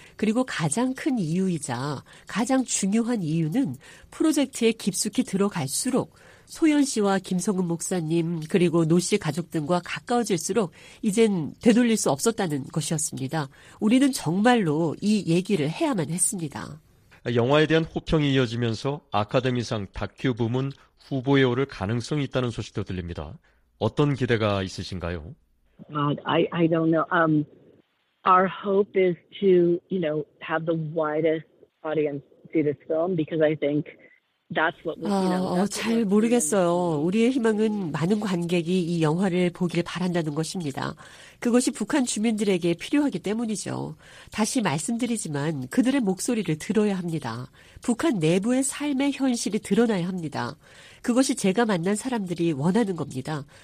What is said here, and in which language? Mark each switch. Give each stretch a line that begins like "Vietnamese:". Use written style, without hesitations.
Korean: 그리고 가장 큰 이유이자 가장 중요한 이유는 프로젝트에 깊숙이 들어갈수록 소연 씨와 김성은 목사님 그리고 노 씨 가족 등과 가까워질수록 이젠 되돌릴 수 없었다는 것이었습니다. 우리는 정말로 이 얘기를 해야만 했습니다. 영화에 대한 호평이 이어지면서 아카데미상 다큐 부문 후보에 오를 가능성이 있다는 소식도 들립니다. 어떤 기대가 있으신가요?
English: I don't know. Our hope is to, you know, have the widest audience see this film because I think that's what we, you know.
Korean: 잘 모르겠어요. 우리의 희망은 많은 관객이 이 영화를 보길 바란다는 것입니다. 그것이 북한 주민들에게 필요하기 때문이죠. 다시 말씀드리지만 그들의 목소리를 들어야 합니다. 북한 내부의 삶의 현실이 드러나야 합니다. 그것이 제가 만난 사람들이 원하는 겁니다.